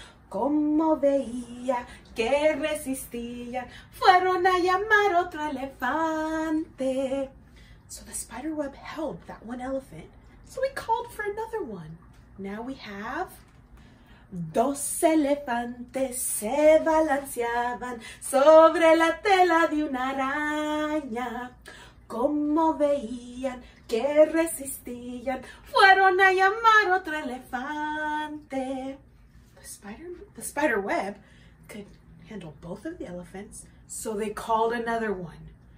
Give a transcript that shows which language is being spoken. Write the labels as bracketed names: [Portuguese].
[Spanish] Como veía que resistía, fueron a llamar otro elefante. [English] So the spider web held that one elephant, so we called for another one. Now we have [Spanish] dos elefantes se balanceaban sobre la tela de una araña. Como veían que resistían, fueron a llamar otro elefante. [English] The spider web could handle both of the elephants, so they called another one.